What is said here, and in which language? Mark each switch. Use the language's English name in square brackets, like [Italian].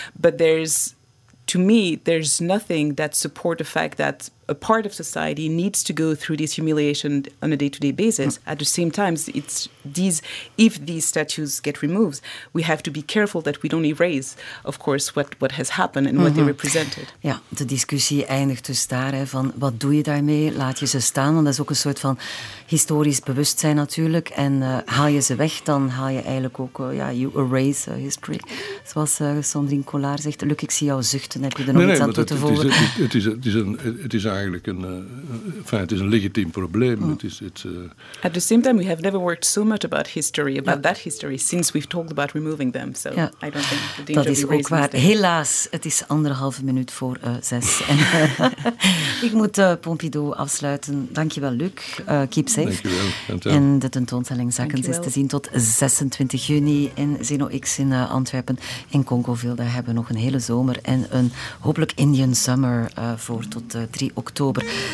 [English] But there's, to me, there's nothing that support the fact that a part of society needs to go through this humiliation on a day-to-day basis. Mm-hmm. At the same time, it's these, if these statues get removed, we have to be careful that we don't erase, of course, what has happened and what they represented. [Dutch] Ja, de discussie eindigt dus daar, hè, van wat doe je daarmee? Laat je ze staan? Want dat is ook een soort van historisch bewustzijn natuurlijk. En haal je ze weg, dan haal je eigenlijk ook, [English] you erase history. [Dutch] Zoals Sandrine Collard zegt. Luc, ik zie jou zuchten. Heb je er nog iets aan toe te voegen? Het is eigenlijk een legitiem probleem. [English] At the same time, we have never worked so much about history, about that history, since we've talked about removing them. So yeah. I don't think the [Dutch] danger is ook waar. Helaas, het is anderhalve minuut voor zes. Ik moet Pompidou afsluiten. Dankjewel, Luc. [English] Keep safe. [Dutch] Dankjewel. En de tentoonstelling Zakkens is te zien tot 26 juni in Zeno X in Antwerpen. In Congoville, daar hebben we nog een hele zomer en een hopelijk Indian summer voor tot 3 oktober.